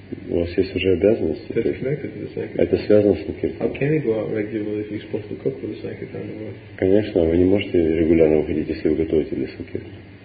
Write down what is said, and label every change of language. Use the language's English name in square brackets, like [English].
[Russian] У вас есть уже обязанности. Это связано с Sankirtan. [English] How can he go out regularly if he's supposed to cook for the Sankirtan? [Russian] Конечно, вы не можете регулярно выходить, если вы готовите для Sankirtan.